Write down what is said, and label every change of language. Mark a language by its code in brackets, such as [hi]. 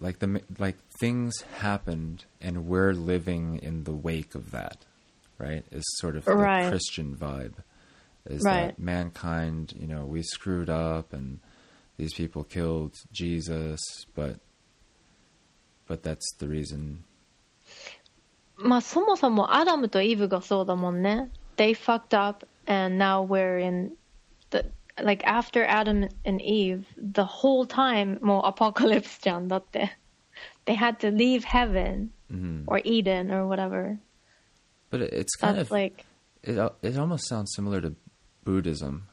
[en] Like things happened and we're living in the wake of that, right? Is sort of the Christian vibe. That mankind, you know, we screwed up and these people killed Jesus, but that's the reason. [ja] まあそもそもアダムとイブがそうだもんね。 [en] They fucked up and now we're in the, like after Adam and Eve, the whole time [ja] もうアポカリプスじゃん。だって [en] They had to leave heaven or Eden or whatever. But it's kind that's of like it almost sounds similar to Buddhism.